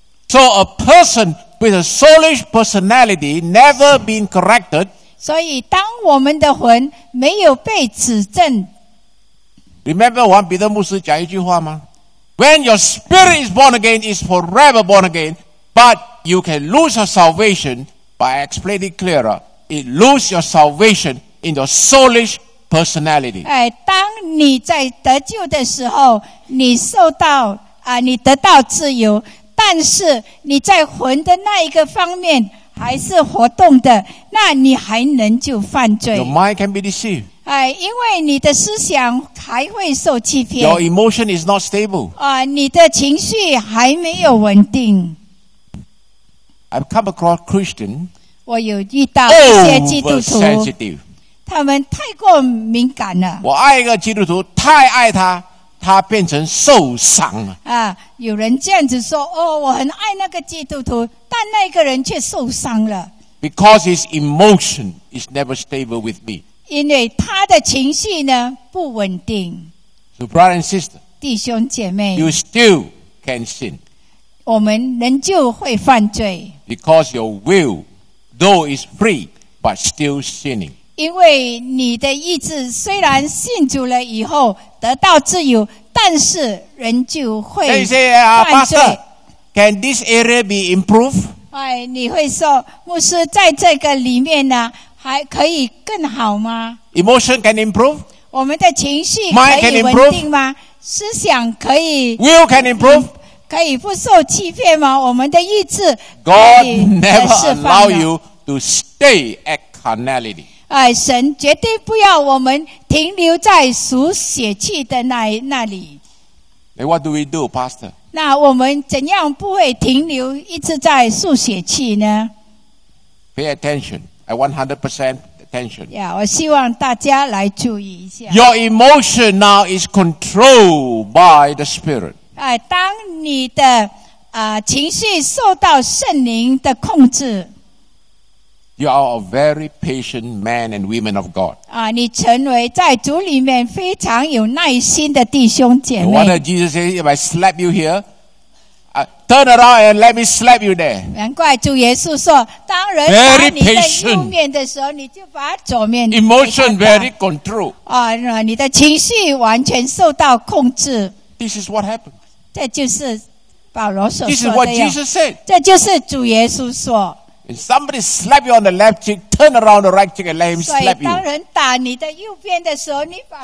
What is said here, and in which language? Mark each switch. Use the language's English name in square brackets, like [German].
[English] So a person with a soulish personality never been corrected. [Chinese] 所以当我们的魂没有被指正。 [English] Remember [Chinese] 王彼得牧师讲一句话吗？ [English] When your spirit is born again, it's forever born again, but you can lose your salvation by explaining clearer. It lose your salvation in your soulish personality. [Chinese] 哎，当你在得救的时候，你受到啊，你得到自由，但是你在魂的那一个方面还是活动的，那你还能就犯罪。 [English] Your mind can be deceived. [Chinese] 因为你的思想还会受欺骗。 [English] Your emotion is not stable. [Chinese] 你的情绪还没有稳定。 [English] I've come across Christian. [Chinese] 我有遇到一些基督徒。 [English] Sensitive. [Chinese] 他们太过敏感了。我爱一个基督徒，太爱他，他变成受伤了。有人这样子说，哦，我很爱那个基督徒，但那个人却受伤了。 [English] Because his emotion is never stable with me. [Chinese] 因为他的情绪呢不稳定。 [English] So brother and sister, [Chinese] 弟兄姐妹 [English] you still can sin. [Chinese] 我们仍旧会犯罪。 [English] Because your will, though is free, but still sinning. [Chinese] 因为你的意志虽然信主了以后得到自由，但是仍旧会犯罪。 [English] Then you say, Pastor, can this area be improved? [Chinese] 你会说，牧师在这个里面呢？还可以更好吗 [English] ？Emotion can improve. [Chinese] 我们的情绪可以稳定吗？思想可以 [English] ？Will can improve. [Chinese] 可以不受欺骗吗？我们的意志可以释放吗 [English] ？God never allow you to stay at carnality. [Chinese] 神绝对不要我们停留在属血气的那里。 [English] Hey, what do we do, Pastor? [Chinese] 那我们怎样不会停留一直在属血气呢 [English] ？Pay attention. I 100% attention. [Chinese] Yeah, 我希望大家来注意一下。 [English] Your emotion now is controlled by the Spirit. [Chinese] 当你的情绪受到圣灵的控制。 [English] You are a very patient man and woman of God. [Chinese] 你成为在主里面非常有耐心的弟兄姐妹。 [English] What did Jesus say? If I slap you here,turn around and let me slap you there. [Chinese] 难怪主耶稣说，当人打你的右面的时候，你就把左面。 [English] Emotion very control. [Chinese] 你的情绪完全受到控制。 [English] This is what happened. [Chinese] 这就是保罗所说的。 [English] This is what Jesus said. [Chinese] 这就是主耶稣说。 [English] If somebody slap you on the left cheek, turn around the right cheek and let him slap you. [Chinese] 所以，当人打你的右边的时候，你把